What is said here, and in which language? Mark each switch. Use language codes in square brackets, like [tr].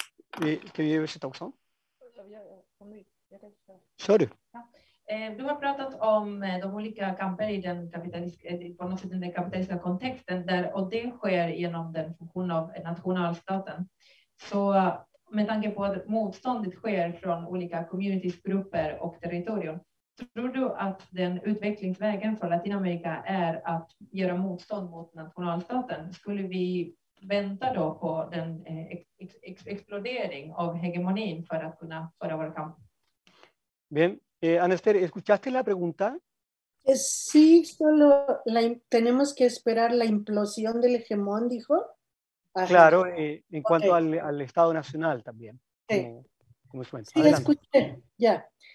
[es] ¿Qué podría decir al respecto? Muchas gracias. ¿Qué quieres decir, Tauxon? [sv] Du har pratat om de olika kamper i den kapitalistiska kontexten där, och det sker genom den funktion av nationalstaten. Så med tanke på att motståndet sker från olika communities, grupper och territorium, tror du att den utvecklingsvägen för Latinamerika är att göra motstånd mot nationalstaten? Skulle vi vänta då på den explodering av hegemonin för att kunna föra vår kamp? [es] Bien, Anester, ¿escuchaste la pregunta? Sí, solo tenemos que esperar la implosión del hegemón, dijo. Claro, en cuanto al Estado Nacional también. Como suena. Sí, escuché, ya.